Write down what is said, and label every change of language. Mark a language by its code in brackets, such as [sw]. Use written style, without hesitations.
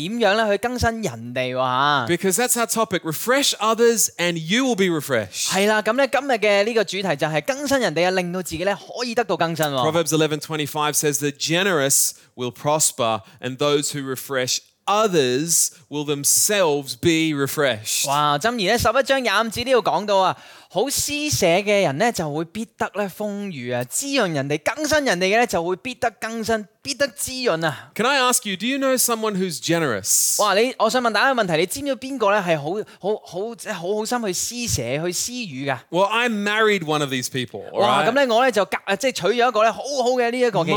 [zh] 哇,今天很想跟大家分享一段经文,就是怎样去更新人家。 [en] Because that's our topic, refresh others and you will be refreshed. [zh] 是的,今天的这个主题就是更新人家,令到自己可以得到更新。 [en] Proverbs 11:25 says, the generous will prosper and those who refresh others will themselves be refreshed. [zh] 哇,箴言11:25这里有讲到, 好施舍的人就会必得丰裕,滋润人家,更新人家就会必得更新,必得滋润。 [en] Can I ask you, do you know someone who's generous? [zh] 哇,我想问大家一个问题,你知不知道谁是好心去施舍,去施予的? [en] Well, I'm married one of these people, alright? [zh] 哇,那我就娶了一个好好的这个人。